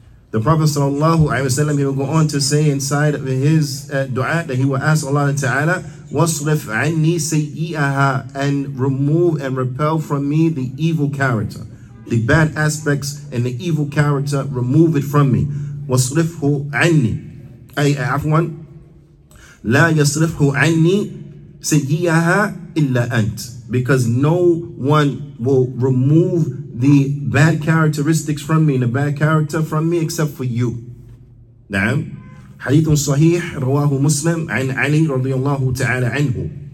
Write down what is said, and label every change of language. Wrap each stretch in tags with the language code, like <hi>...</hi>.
<en>The Prophet sallallahu alayhi wa sallam, he will go on to say inside of his dua that he will ask Allah ta'ala,</en> <ar>وَصْرِفْ عَنِّي سَيِّئَهَا,</ar> <en>and remove and repel from me the evil character. The bad aspects and the evil character, remove it from me.</en> <ar>وَصْرِفْهُ عَنِّي, أي عفوان, لَا يَصْرِفْهُ عَنِّي سَيِّئَهَا إِلَّا أَنْتِ.</ar> <en>Because no one will remove the bad characteristics from me, and the bad character from me, except for you.</en> <ar>نعم. حديث صحيح رواه مسلم عن علي رضي الله تعالى عنه.</ar>